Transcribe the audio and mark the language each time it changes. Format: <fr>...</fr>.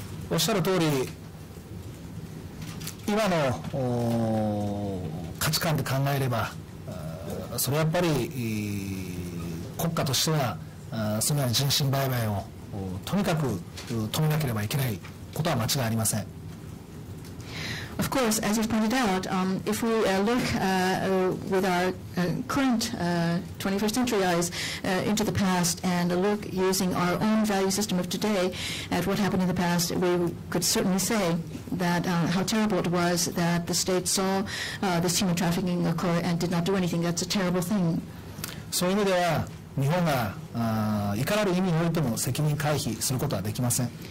<ja>おっしゃる通り、今の価値観で考えればそれはやっぱり国家としてはそのような人身売買をとにかく止めなければいけないことは間違いありません。</ja> <en>Of course, as you pointed out, if we look with our current 21st century eyes into the past and look using our own value system of today at what happened in the past, we could certainly say that how terrible it was that the state saw this human trafficking occur and did not do anything. That's a terrible thing.</en> <ja>そういう意味では日本がいかなる意味においても責任回避することはできません。</ja>